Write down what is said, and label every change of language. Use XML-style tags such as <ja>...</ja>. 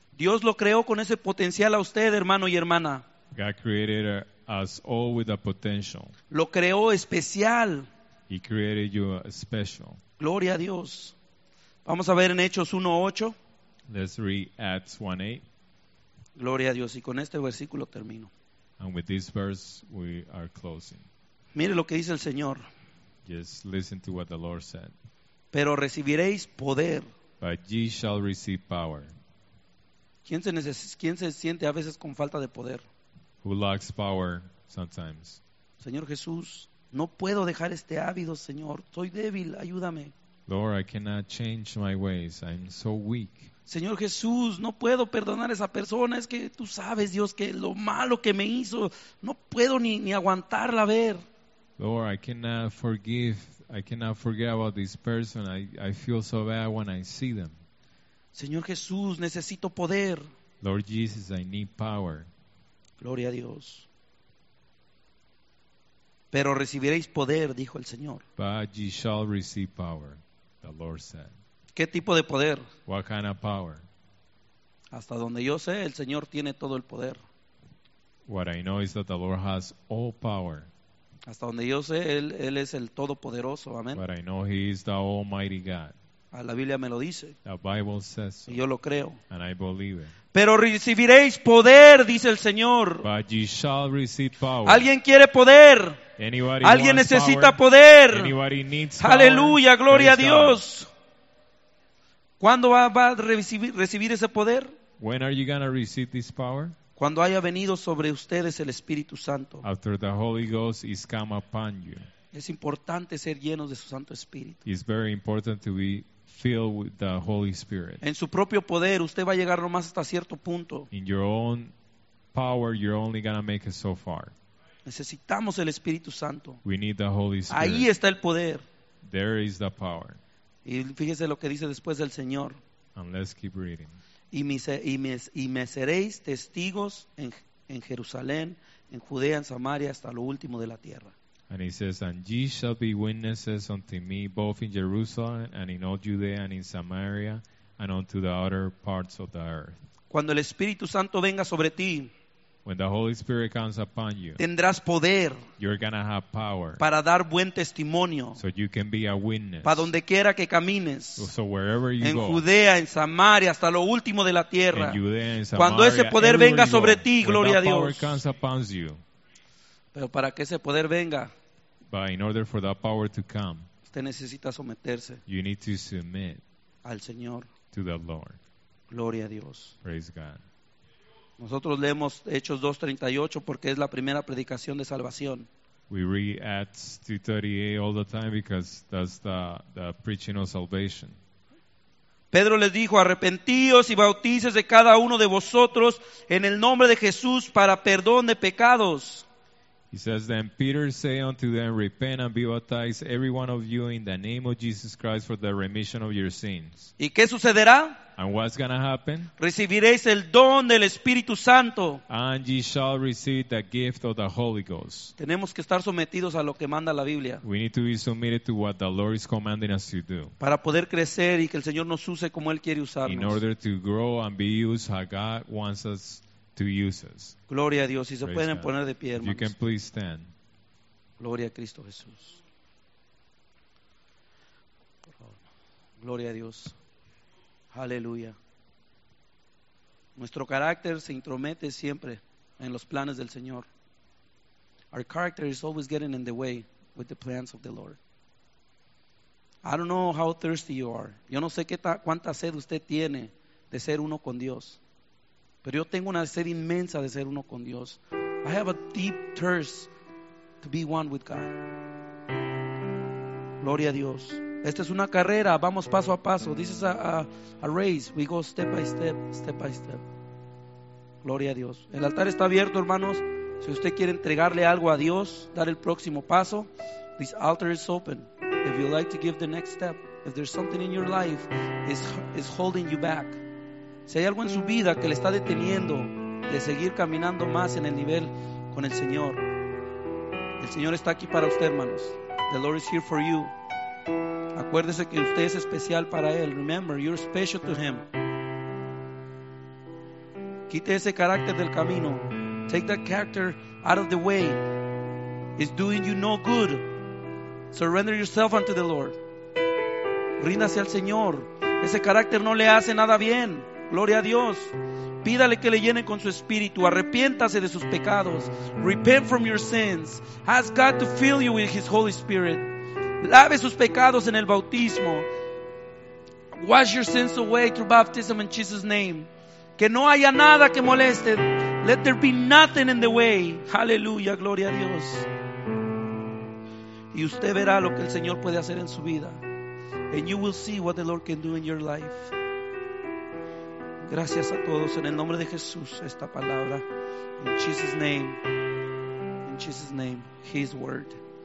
<es>Dios lo creó con ese potencial a usted, hermano y hermana.</es> <en>God created us all with a potential.</en> <es>Lo creó especial.</es> <en>He created you special.</en> <es>Gloria a Dios. Vamos a ver en Hechos 1:8.</es> <en>Let's read Acts 1:8.</en> <es>Gloria a Dios. Y con este versículo termino.</es> <en>And with this verse we are closing.</en> <es>Mire lo que dice el Señor.</es> <en>Just listen to what the Lord said.</en> <es>Pero recibiréis poder.</es> <en>But ye shall receive power.</en> <es>¿Quién se siente a veces con falta de poder?</es> <en>Who lacks power sometimes?</en> <es>Señor Jesús, no puedo dejar este hábito, Señor. Soy débil, ayúdame.</es> <en>Lord, I cannot change my ways. I'm so weak.</en> <es>Señor Jesús, no puedo perdonar a esa persona. Es que tú sabes, Dios, que lo malo que me hizo, no puedo ni aguantarla ver.</es> <en>Lord, I cannot forgive. I cannot forget about this person. I feel so bad when I see them.</en> <es>Señor Jesús, necesito poder.</es> <en>Lord Jesus, I need power.</en> <es>Gloria a Dios. Pero recibiréis poder, dijo el Señor.</es> <en>But ye shall receive power. The Lord said.</en> <es>¿Qué tipo de poder?</es> <en>What kind of power?</en> <es>Hasta donde yo sé, el Señor tiene todo el poder.</es> <en>What I know is that the Lord has all power.</en> <es>Hasta donde yo sé, él es el todopoderoso. Amén.</es> <en>What I know, He is the Almighty God.</en> <es>A la Biblia me lo dice.</es> <en>The Bible says so.</en> <es>Y yo lo creo.</es> <en>And I believe it.</en> <es>Pero recibiréis poder, dice el Señor.</es> <en>But ye shall receive power.</en> <es>¿Alguien quiere poder?</es> <en>Anybody</en> <es>Alguien</es> <en>wants</en> <es>necesita</es> <en>power?</en> <es>Poder.</es> <en>Anybody needs power?</en> <es>Aleluya, gloria</es> <en>Praise</en> <es>a Dios.</es> <en>God.</en> <es>¿Cuándo va a recibir ese poder?</es> <en>When are you gonna receive this power?</en> <es>Cuando haya venido sobre ustedes el Espíritu Santo.</es> <en>After the Holy Ghost is come upon you.</en> <es>Es importante ser llenos de su Santo Espíritu.</es> <en>It's very important to be filled with the Holy Spirit.</en> <es>En su propio poder, usted va a llegar nomás hasta cierto punto.</es> <en>In your own power, you're only gonna make it so far.</en> <es>Necesitamos el Espíritu Santo.</es> <en>We need the Holy Spirit.</en> <es>Ahí está el poder.</es> <en>There is the power.</en> <es>Y fíjese lo que dice después el Señor.</es> <en>And let's keep reading.</en> <es>Y me seréis testigos en Jerusalén, en Judea, en Samaria, hasta lo último de la tierra.</es> <en>And he says, and ye shall be witnesses unto me, both in Jerusalem, and in all Judea, and in Samaria, and unto the other parts of the earth.</en> <es>Cuando el Espíritu Santo venga sobre ti,</es> <en>When the Holy Spirit comes upon you,</en> <es>tendrás poder,</es> <en>you're gonna have power,</en> <es>para dar buen testimonio,</es> <en>so you can be a witness,</en> <es>para donde quiera que camines,</es> <en>so wherever you</en> <es>en</es> <en>go,</en> <es>Judea, en Samaria, hasta lo último de la tierra,</es> <en>in Judea, in Samaria,</en> <es>cuando ese poder venga sobre ti, gloria a Dios,</es> <en>power comes upon you.</en> <es>Pero para que ese poder venga,</es> <en>but in order for that power to come,</en> <es>usted necesita someterse,</es> <en>you need to submit</en> <es>al Señor,</es> <en>to the Lord,</en> <es>gloria a Dios,</es> <en>praise God.</en> <es>Nosotros leemos Hechos 2:38 porque es la primera predicación de salvación.</es> <en>We read Acts 2:38 all the time because that's the preaching of salvation.</en> <es>Pedro les dijo, arrepentíos y bautícese cada uno de vosotros en el nombre de Jesús para perdón de pecados.</es> <en>He says, then Peter say unto them, repent and be baptized every one of you in the name of Jesus Christ for the remission of your sins.</en> <es>¿Y qué sucederá?</es> <en>And what's going to happen?</en> <es>Recibiréis el don del Espíritu Santo.</es> <en>And ye shall receive the gift of the Holy Ghost.</en> <es>Tenemos que estar sometidos a lo que manda la Biblia.</es> <en>We need to be submitted to what the Lord is commanding us to do.</en> <es>Para poder crecer y que el Señor nos use como Él quiere usarnos.</es> <en>In order to grow and be used how God wants us to use us.</en> <es>Gloria a Dios. Si se pueden poner de pie, hermanos.</es> <en>If you can please stand.</en> <es>Gloria a Cristo Jesús. Gloria a Dios. Aleluya. Nuestro carácter se intromete siempre en los planes del Señor.</es> <en>Our character is always getting in the way with the plans of the Lord. I don't know how thirsty you are.</en> <es>Yo no sé cuánta sed usted tiene de ser uno con Dios. Pero yo tengo una sed inmensa de ser uno con Dios.</es> <en>I have a deep thirst to be one with God.</en> <es>Gloria a Dios. Esta es una carrera, vamos paso a paso.</es> <en>This is a race, we go step by step, step by step.</en> <es>Gloria a Dios. El altar está abierto, hermanos. Si usted quiere entregarle algo a Dios, dar el próximo paso,</es> <en>this altar is open. If you'd like to give the next step, if there's something in your life is holding you back.</en> <es>Si hay algo en su vida que le está deteniendo de seguir caminando más en el nivel con el Señor está aquí para usted, hermanos.</es> <en>The Lord is here for you.</en> <es>Acuérdese que usted es especial para Él.</es> <en>Remember, you're special to Him.</en> <es>Quite ese carácter del camino.</es> <en>Take that character out of the way. It's doing you no good. Surrender yourself unto the Lord.</en> <es>Ríndase al Señor. Ese carácter no le hace nada bien. Gloria a Dios. Pídale que le llene con su espíritu. Arrepiéntase de sus pecados.</es> <en>Repent from your sins. Ask God to fill you with His Holy Spirit.</en> <es>Lave sus pecados en el bautismo.</es> <en>Wash your sins away through baptism in Jesus' name.</en> <es>Que no haya nada que moleste.</es> <en>Let there be nothing in the way.</en> <es>Aleluya, gloria a Dios. Y usted verá lo que el Señor puede hacer en su vida.</es> <en>And you will see what the Lord can do in your life.</en> <es>Gracias a todos en el nombre de Jesús esta palabra.</es> <en>In Jesus' name. In Jesus' name. His word.</en>